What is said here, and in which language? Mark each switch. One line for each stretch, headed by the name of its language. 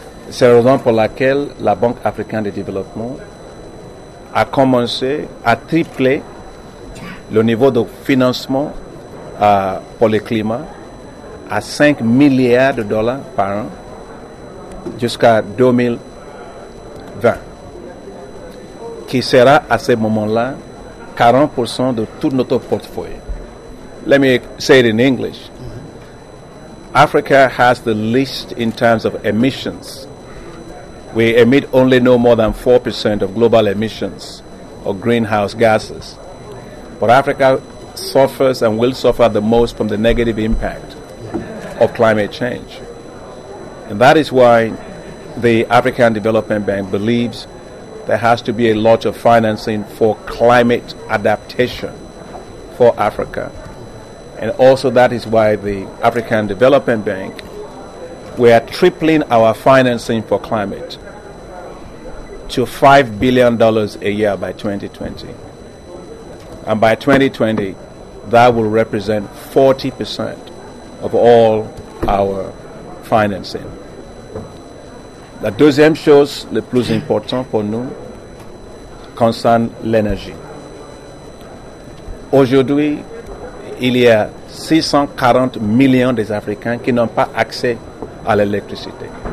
French: C'est la raison pour laquelle la Banque africaine de développement a commencé à tripler le niveau de financement pour le climat à 5 milliards de dollars par an jusqu'à 2020, qui sera à ce moment-là 40% de tout notre portefeuille.
English: Let me say it in English. Africa has the least in terms of emissions. We emit only no more than 4% of global emissions of greenhouse gases. But Africa suffers and will suffer the most from the negative impact of climate change. And that is why the African Development Bank believes there has to be a lot of financing for climate adaptation for Africa. And also that is why the African Development Bank, we are tripling our financing for climate to $5 billion a year by 2020. And by 2020, that will represent 40% of all our financing.
French: La deuxième chose la plus importante pour nous concerne l'énergie. Aujourd'hui, il y a 640 millions d'Africains qui n'ont pas accès à l'électricité.